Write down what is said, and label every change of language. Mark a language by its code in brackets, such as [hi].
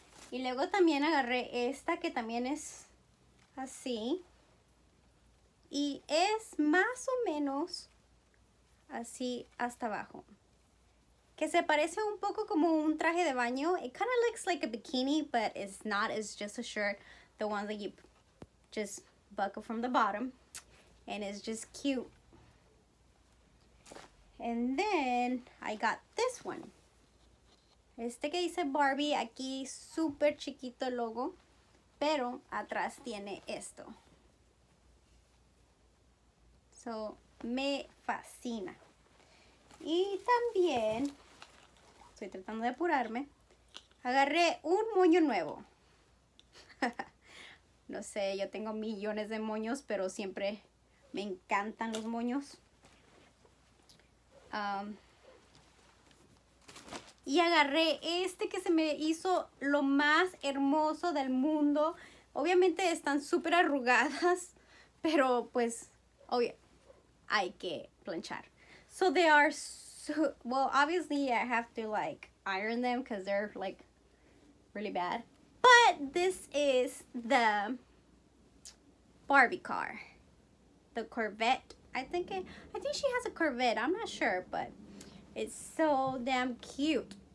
[es] Y luego también agarré esta que también es así. Y es más o menos así hasta abajo. Que se parece un poco como un traje de baño. [en] It kind of looks like a bikini, but it's not. It's just a shirt. The one that you just buckle from the bottom. And it's just cute. And then I got this one. [es] Este que dice Barbie, aquí súper chiquito el logo, pero atrás tiene esto. So, me fascina. Y también, estoy tratando de apurarme, agarré un moño nuevo. No sé, yo tengo millones de moños, pero siempre me encantan los moños. Y agarré este que se me hizo lo más hermoso del mundo. Obviamente están súper arrugadas, pero pues, obvio, hay que planchar. [en] So they are, well, obviously I have to like iron them because they're like really bad. But this is the Barbie car. The Corvette, I think she has a Corvette. I'm not sure, but it's so damn cute.